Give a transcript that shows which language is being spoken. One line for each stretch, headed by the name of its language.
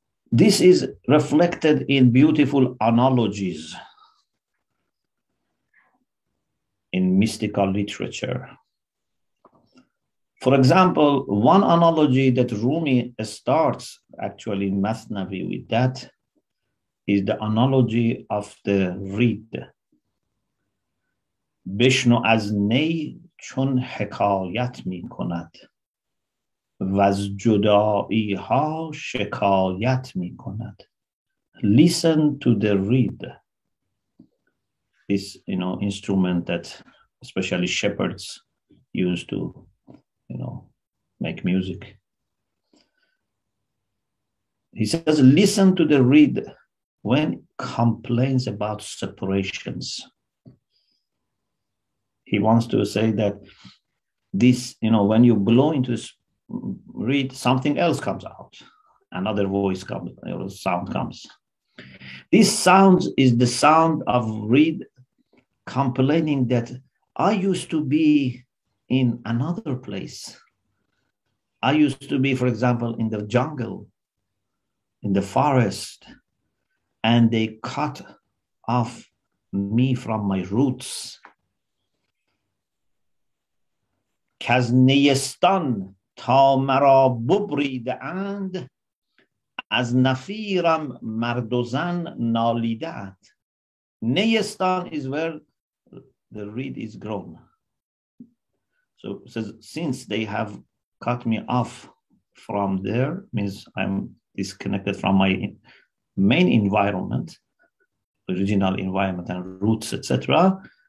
English: This is reflected in beautiful analogies in mystical literature. For example, one analogy that Rumi starts actually in Masnavi with that is the analogy of the reed.
Persian: بشنو از نی چون حکایت می کند و از جدائی ها شکایت می کند.
English: Listen to the reed. This, you know, instrument that especially shepherds use to, you know, make music. He says, listen to the reed when complains about separations. He wants to say that this, you know, when you blow into this reed, something else comes out. Another voice comes, or sound comes. This sound is the sound of reed complaining that I used to be in another place. I used to be, for example, in the jungle, in the forest, and they cut off me from my roots.
Persian: کز نیستان تا مرا ببریده اند از نفیرم مرد و زن نالیده اند.
English: نیستان is where the reed is grown. So it says, since they have cut me off from there, means I'm disconnected from my main environment, original environment and roots, etc.